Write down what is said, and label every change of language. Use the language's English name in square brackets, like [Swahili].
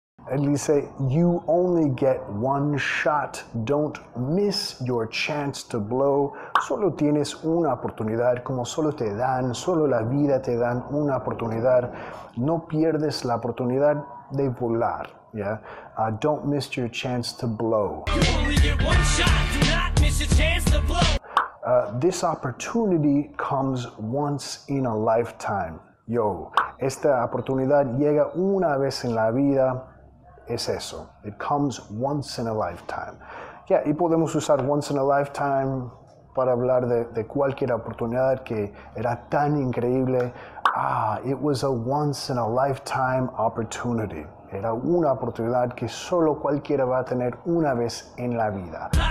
[Spanish] Él dice, [English] you only get one shot, don't miss your chance to blow. [Spanish] Solo tienes una oportunidad, como solo te dan, solo la vida te dan una oportunidad. No pierdes la oportunidad de volar, ¿ya? [English] Yeah? Don't miss your chance to blow. You only get one shot, do not miss your chance to blow. This opportunity comes once in a lifetime. [Spanish] Yo, esta oportunidad llega una vez en la vida. Es eso. [English] It comes once in a lifetime. [Spanish] Yeah, y podemos usar [English] once in a lifetime [Spanish] para hablar de cualquier oportunidad que era tan increíble. [English] Ah, it was a once in a lifetime opportunity. [Spanish] Era una oportunidad que solo cualquiera va a tener una vez en la vida.